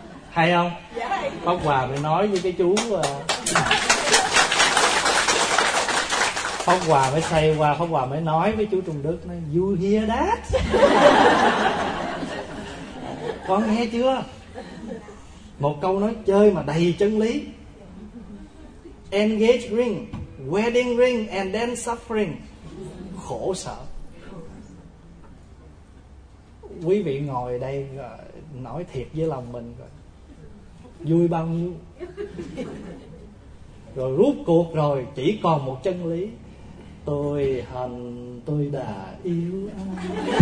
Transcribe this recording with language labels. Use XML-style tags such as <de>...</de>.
<vi>Hay không? Pháp Hòa mới nói với cái chú, Pháp Hòa mới say qua, Pháp Hòa mới nói với chú Trung Đức, nói</vi> <en>you hear that?</en> <vi>Con nghe chưa? Một câu nói chơi mà đầy chân lý.</vi> <en>Engage ring, wedding ring, and then suffering.</en> <vi>Khổ sở. Quý vị ngồi đây nói thiệt với lòng mình rồi, vui bao nhiêu. Rồi rút cuộc rồi chỉ còn một chân lý: tôi hận, tôi đã yêu anh.</vi>